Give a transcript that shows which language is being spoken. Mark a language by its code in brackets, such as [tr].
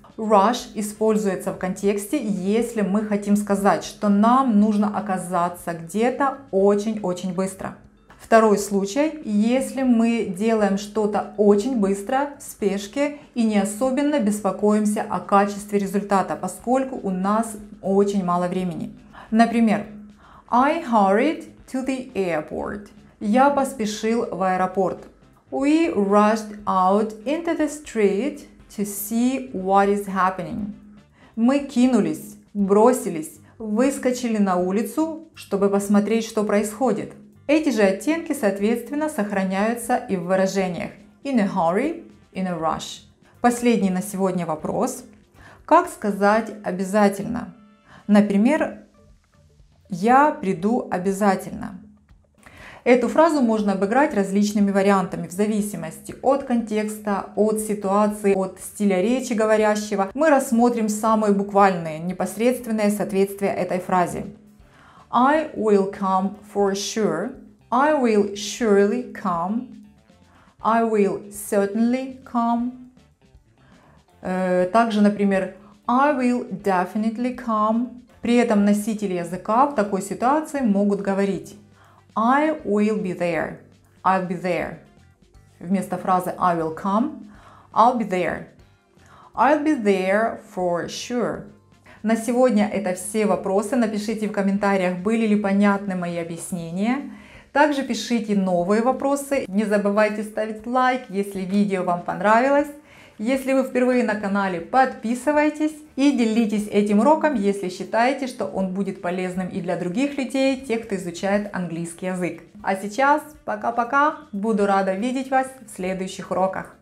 [ru] Rush используется в контексте, если мы хотим сказать, что нам нужно оказаться где-то очень-очень быстро. Второй случай, если мы делаем что-то очень быстро, в спешке, и не особенно беспокоимся о качестве результата, поскольку у нас очень мало времени. [en] Например, I hurried to the airport. [ru] Я поспешил в аэропорт. [en] We rushed out into the street to see what is happening. [ru] Мы кинулись, бросились, выскочили на улицу, чтобы посмотреть, что происходит. Эти же оттенки, соответственно, сохраняются и в выражениях [en] in a hurry, in a rush. [ru] Последний на сегодня вопрос. Как сказать обязательно? Например, я приду обязательно. Эту фразу можно обыграть различными вариантами в зависимости от контекста, от ситуации, от стиля речи говорящего. Мы рассмотрим самые буквальные, непосредственные соответствия этой фразе. [en] I will come for sure. I will surely come. I will certainly come. [ru] Также, например, [en] I will definitely come. [ru] При этом носители языка в такой ситуации могут говорить [en] I will be there. I'll be there. [ru] Вместо фразы [en] I will come, I'll be there. I'll be there for sure. [ru] На сегодня это все вопросы. Напишите в комментариях, были ли понятны мои объяснения. Также пишите новые вопросы. Не забывайте ставить лайк, если видео вам понравилось. Если вы впервые на канале, подписывайтесь и делитесь этим уроком, если считаете, что он будет полезным и для других людей, тех, кто изучает английский язык. А сейчас пока-пока. Буду рада видеть вас в следующих уроках.